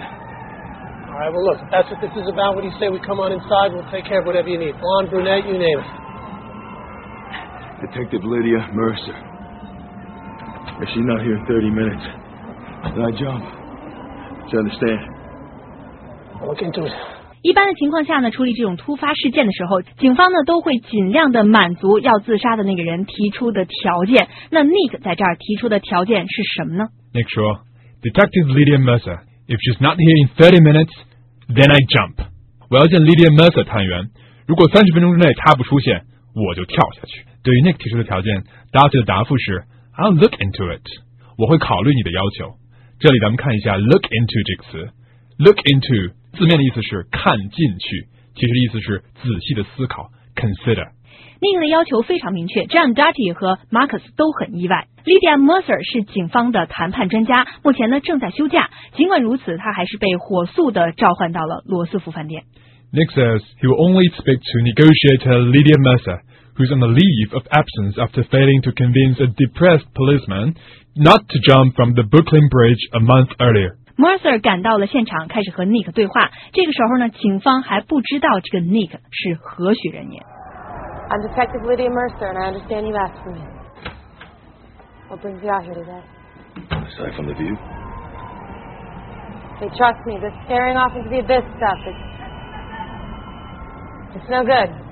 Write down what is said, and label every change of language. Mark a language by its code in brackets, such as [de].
[en] All right, well look, that's what this is about. What do you say we come on inside? We'll take care of whatever you need. Blonde, brunette, you name it. Detective Lydia Mercer. If she's not here in 30 minutes, then I jump. Do you understand? I'll look into it. [zh] 一般的情况下呢，处理这种突发事件的时候，警方呢都会尽量的满足要自杀的那个人提出的条件。那 Nick 在这儿提出的条件是什么呢？ [en] Nick [zh] 说 [en] Detective Lydia Mercer. If she's not here in 30 minutes, then I jump. [zh] 我要见 Lydia Mercer 探员。如果30分钟之内她不出现，我就跳下去。对于 Nick 提出的条件， Doherty 的答复是 [en] I'll look into it， [zh] 我会考虑你的要求。这里咱们看一下 look into 这个词， look into 字面的意思是看进去，其实的意思是仔细的思考 consider。 Nick 的要求非常明确，这让 Doherty 和 Marcus 都很意外。 Lydia Mercer 是警方的谈判专家，目前呢正在休假，尽管如此他还是被火速的召唤到了罗斯福饭店。 [en] Nick says he will only speak to negotiator Lydia Mercerwho's on a leave of absence after failing to convince a depressed policeman not to jump from the Brooklyn Bridge a month earlier. [zh] Mercer 赶到了现场，开始和 Nick 对话。这个时候呢，警方还不知道这个 Nick 是何许人也。 [en] I'm Detective Lydia Mercer, and I understand you asked for me. What brings you out here today? Aside from the view. Hey, trust me, this staring off into the abyss stuff, it's no good.